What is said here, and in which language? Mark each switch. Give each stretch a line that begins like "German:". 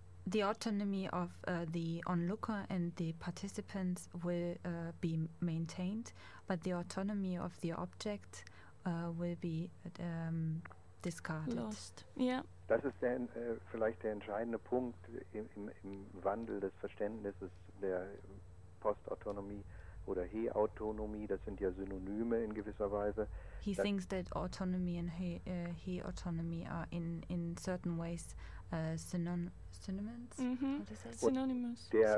English: The autonomy of the onlooker and the participants will be maintained, but the autonomy of the object will be discarded. Lost. Yeah.
German: Das ist der, vielleicht der entscheidende Punkt im Wandel des Verständnisses der Postautonomie oder Heautonomie. Das sind ja Synonyme in gewisser Weise.
English: He thinks that autonomy and heautonomy are in certain ways synonymous.